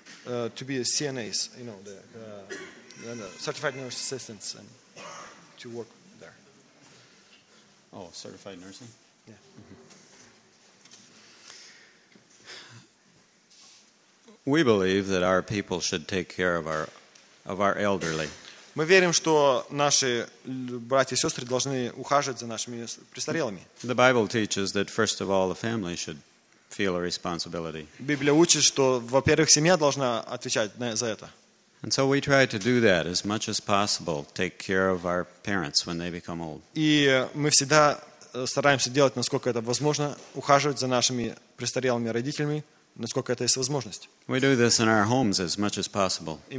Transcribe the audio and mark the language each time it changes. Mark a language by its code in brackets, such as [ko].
[en] To be a CNAs, you know, the certified nurse assistants, and to work there. Oh, certified nursing? Yeah. Mm-hmm. We believe that our people should take care of our elderly. [ru] Мы верим, что наши братья и сестры должны ухаживать за нашими престарелыми. [en] The Bible teaches that first of all the family should feel a responsibility. [ru] Библия учит, что во-первых, семья должна отвечать за это. [en] And so we try to do that as much as possible, take care of our parents when they become old. [ru] И мы всегда стараемся делать насколько это возможно, ухаживать за нашими престарелыми родителями. Насколько это есть возможность. [en] We do this in our homes as much as possible.